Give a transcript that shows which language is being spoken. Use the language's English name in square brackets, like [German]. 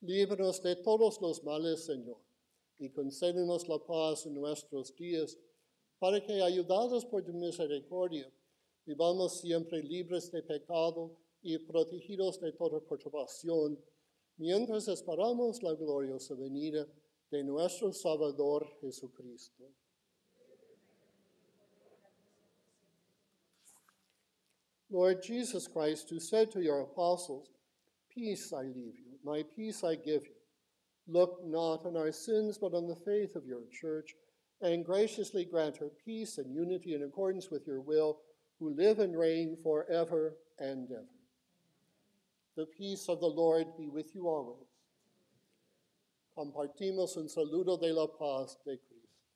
[Spanish] Líbranos de todos los males, Señor, y concédenos la paz en nuestros días, para que, ayudados por tu misericordia, vivamos siempre libres de pecado y protegidos de toda perturbación, mientras esperamos la gloriosa venida de nuestro Salvador Jesucristo. [English] Lord Jesus Christ, who said to your apostles, "Peace I leave you, my peace I give you," look not on our sins but on the faith of your church, and graciously grant her peace and unity in accordance with your will, who live and reign forever and ever. The peace of the Lord be with you always. [Spanish] Compartimos un saludo de la paz de Cristo.